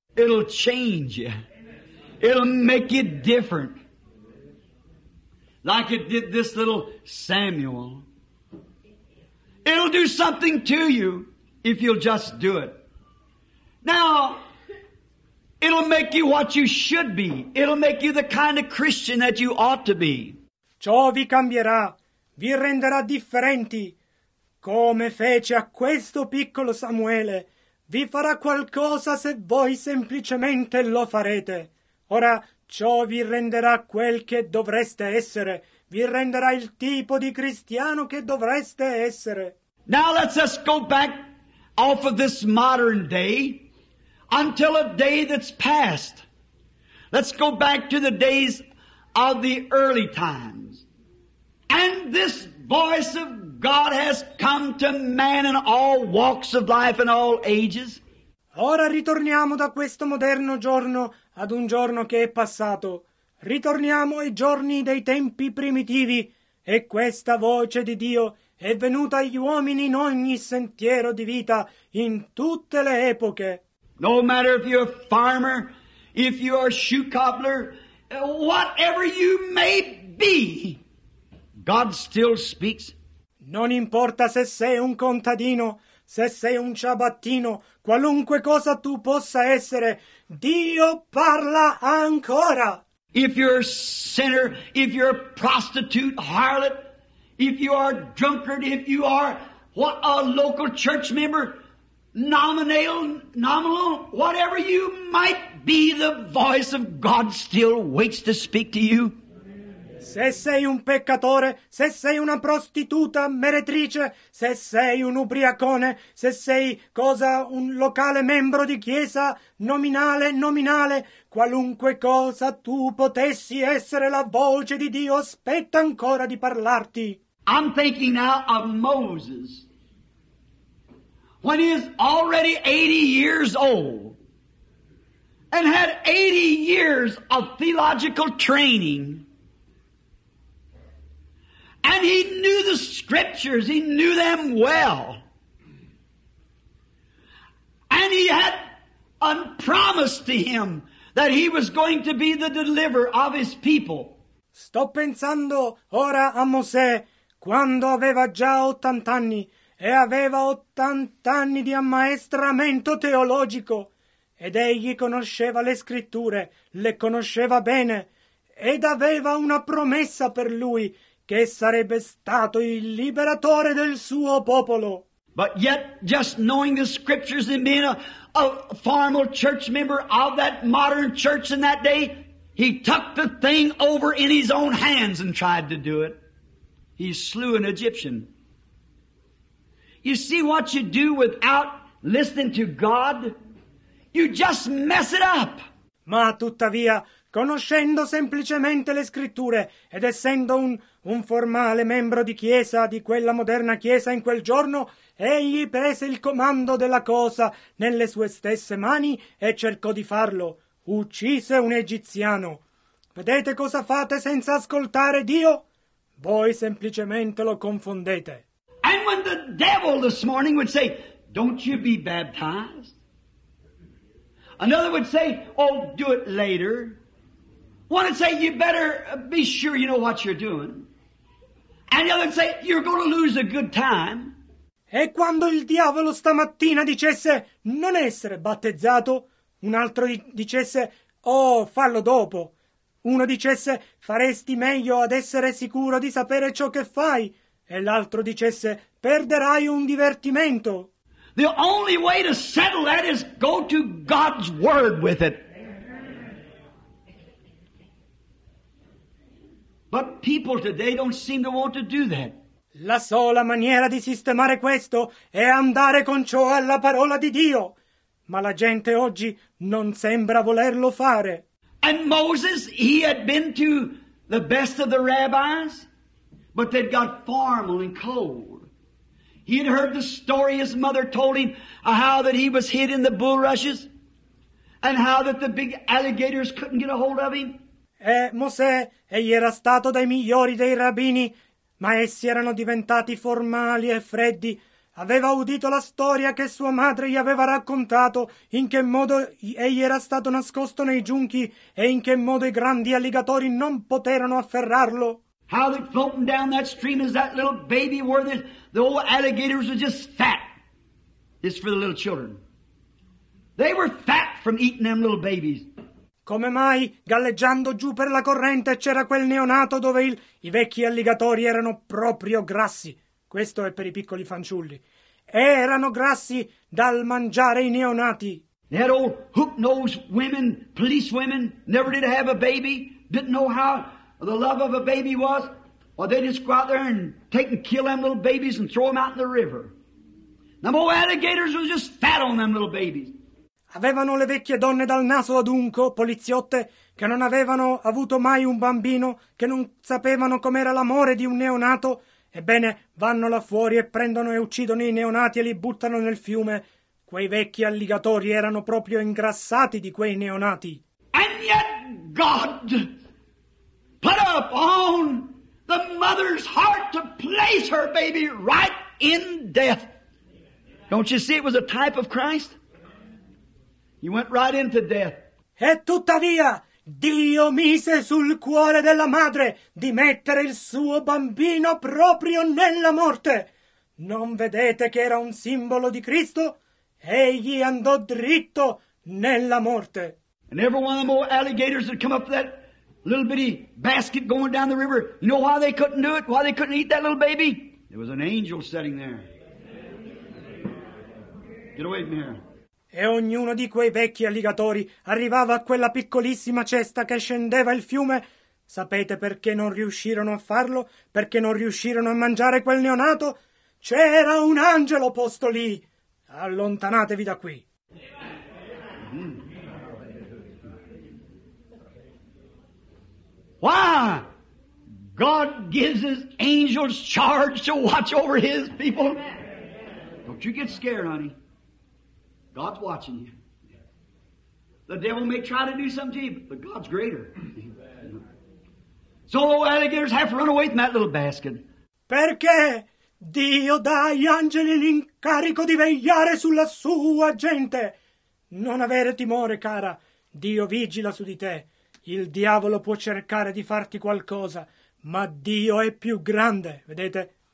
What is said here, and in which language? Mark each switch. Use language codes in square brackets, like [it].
[en] It'll change you. It'll make you different. Like it did this little Samuel. It'll do something to you if you'll just do it. Now, it'll make you what you should be. It'll make you the kind of Christian that you ought to be. [it] Ciò vi cambierà, vi renderà differenti. Come fece a questo piccolo Samuele, vi farà qualcosa se voi semplicemente lo farete. Ora, ciò vi renderà quel che dovreste essere, vi renderà il tipo di cristiano che dovreste essere. [en] Now let's just go back off of this modern day until a day that's past. Let's go back to the days of the early times. And this voice of God has come to man in all walks of life and all ages. [it] Ora ritorniamo da questo moderno giorno ad un giorno che è passato. Ritorniamo ai giorni dei tempi primitivi e questa voce di Dio è venuta agli uomini in ogni sentiero di vita, in tutte le epoche. [en] No matter if you're a farmer, if you're a shoe cobbler, whatever you may be, God still speaks. [it] Non importa se sei un contadino, se sei un ciabattino, qualunque cosa tu possa essere, Dio parla ancora. [en] If you're a sinner, if you're a prostitute, harlot, if you are a drunkard, if you are a local church member, nominal, whatever you might be, the voice of God still waits to speak to you. [it] Se sei un peccatore, se sei una prostituta meretrice, se sei un ubriacone, se sei un locale membro di chiesa nominale, qualunque cosa tu potessi essere, la voce di Dio aspetta ancora di parlarti. [en] I'm thinking now of Moses, when he is already 80 years old and had 80 years of theological training. And he knew the scriptures, he knew them well. And he had a promise to him that he was going to be the deliverer of his people. [it] Sto pensando ora a Mosè, quando aveva già 80 anni, e aveva 80 anni di ammaestramento teologico. Ed egli conosceva le scritture, le conosceva bene, ed aveva una promessa per lui, che sarebbe stato il liberatore del suo popolo. [en] But yet, just knowing the scriptures and being a formal church member of that modern church in that day, he took the thing over in his own hands and tried to do it. He slew an Egyptian. You see what you do without listening to God? You just mess it up. [it] Ma tuttavia, conoscendo semplicemente le scritture ed essendo un formale membro di chiesa, di quella moderna chiesa in quel giorno, egli prese il comando della cosa nelle sue stesse mani e cercò di farlo. Uccise un egiziano. Vedete cosa fate senza ascoltare Dio? Voi semplicemente lo confondete. [en] And when the devil this morning would say, don't you be baptized? Another would say, oh, do it later. One would say, you better be sure you know what you're doing. And the other would say, you're going to lose a good time. [it] E quando il diavolo stamattina dicesse, non essere battezzato, un altro dicesse, oh, fallo dopo. Uno dicesse, faresti meglio ad essere sicuro di sapere ciò che fai. E l'altro dicesse, perderai un divertimento. [en] The only way to settle that is go to God's word with it. But people today don't seem to want to do that. [it] La sola maniera di sistemare questo è andare con ciò alla parola di Dio. Ma la gente oggi non sembra volerlo fare. [en] And Moses, he had been to the best of the rabbis, but they'd got formal and cold. He had heard the story his mother told him, how that he was hid in the bulrushes, and how that the big alligators couldn't get a hold of him. [it] E Mosè, egli era stato dai migliori dei rabbini, ma essi erano diventati formali e freddi. Aveva udito la storia che sua madre gli aveva raccontato, in che modo egli era stato nascosto nei giunchi e in che modo i grandi alligatori non poterono afferrarlo. [en] How they floating down that stream is that little baby where the old alligators were just fat. It's for the little children. They were fat from eating them little babies. [it] Come mai, galleggiando giù per la corrente, c'era quel neonato dove i vecchi alligatori erano proprio grassi. Questo è per i piccoli fanciulli. Erano grassi dal mangiare i neonati. [en] That old hook-nosed women, police women, never did have a baby, didn't know how the love of a baby was, or they just go out there and take and kill them little babies and throw them out in the river. The more alligators were just fat on them little babies. [it] Avevano le vecchie donne dal naso adunco, poliziotte, che non avevano avuto mai un bambino, che non sapevano com'era l'amore di un neonato, ebbene vanno là fuori e prendono e uccidono i neonati e li buttano nel fiume. Quei vecchi alligatori erano proprio ingrassati di quei neonati. [en] And yet God put upon the mother's heart to place her baby right in death. Don't you see it was a type of Christ? He went right into death. [it] E tuttavia, Dio mise sul cuore della madre di mettere il suo bambino proprio nella morte. Non vedete che era un simbolo di Cristo? Egli andò dritto nella morte. [en] And every one of them old alligators that come up to that little bitty basket going down the river, you know why they couldn't do it? Why they couldn't eat that little baby? There was an angel sitting there. Get away from here. [it] E ognuno di quei vecchi alligatori arrivava a quella piccolissima cesta che scendeva il fiume. Sapete perché non riuscirono a farlo? Perché non riuscirono a mangiare quel neonato? C'era un angelo posto lì. Allontanatevi da qui. [en] Why? God gives his angels charge to watch over his people. Don't you get scared, honey. God's watching you. The devil may try to do something to you, but God's greater. So the alligators have to run away from that little basket. [it] Perché Dio dà agli angeli l'incarico di vegliare sulla sua gente. Non avere timore, cara. Dio vigila su di te. Il diavolo può cercare di farti qualcosa, ma Dio è più grande, vedete?